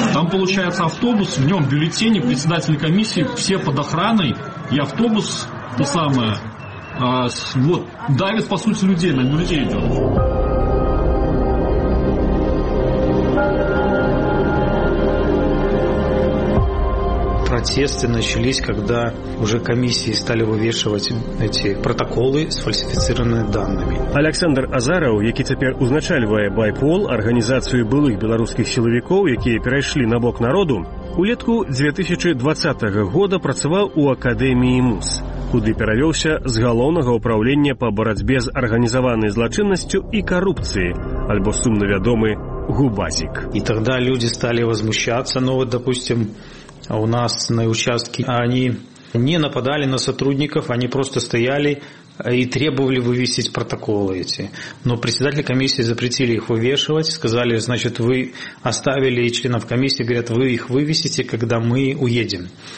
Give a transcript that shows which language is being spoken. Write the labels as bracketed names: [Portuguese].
[Russian] Получается, автобус, в нем бюллетени, председатель комиссии, все под охраной, и автобус, то самое, вот, давит, по сути, людей, на людей идет. Протесты начались, когда уже комиссии стали вывешивать эти протоколы с фальсифицированными данными. [Belarusian] Александр Азаров, який цяпер узначальвае Байпол, арганізацыю былых беларускіх сілавікоў, якія перайшлі на бок народу, улетку 2020 года працаваў у акадэміі МУС, куды перавёўся з галоўнага ўпраўлення па барацьбе з арганізаванай злачыннасцю і карупцыі, альбо сумна вядомы ГУБАЗік. [Russian] І тогда людзі сталі возмущацца, ну вот, допустим, а у нас на участке они не нападали на сотрудников, они просто стояли и требовали вывесить протоколы эти. Но председатели комиссии запретили их вывешивать, сказали, значит, вы оставили членов комиссии, говорят, вы их вывесите, когда мы уедем.